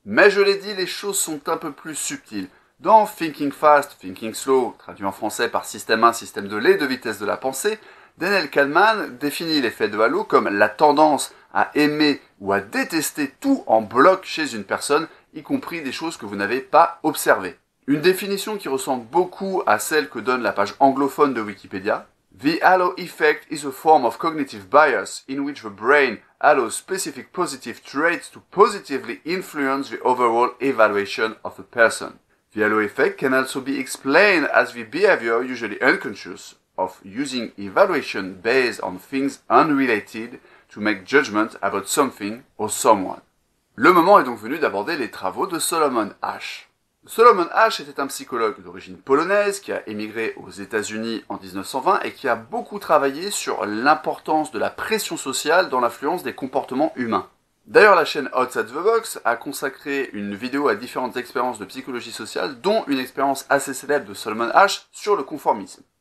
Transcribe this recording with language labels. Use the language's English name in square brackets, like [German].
[French] Mais je l'ai dit, les choses sont un peu plus subtiles. Dans Thinking Fast, Thinking Slow, traduit en français par système 1, système 2, les deux vitesses de la pensée, Daniel Kahneman définit l'effet de Halo comme la tendance à aimer ou à détester tout en bloc chez une personne, y compris des choses que vous n'avez pas observées. Une définition qui ressemble beaucoup à celle que donne la page anglophone de Wikipédia. [English] The Halo effect is a form of cognitive bias in which the brain allows specific positive traits to positively influence the overall evaluation of a person. The halo effect can also be explained as the behavior, usually unconscious, of using evaluation based on things unrelated to make judgment about something or someone. [French] Le moment est donc venu d'aborder les travaux de Solomon Asch. Solomon Asch était un psychologue d'origine polonaise qui a émigré aux États-Unis en 1920 et qui a beaucoup travaillé sur l'importance de la pression sociale dans l'influence des comportements humains. D'ailleurs, la chaîne Outside the Box a consacré une vidéo à différentes expériences de psychologie sociale, dont une expérience assez célèbre de Solomon Asch sur le conformisme.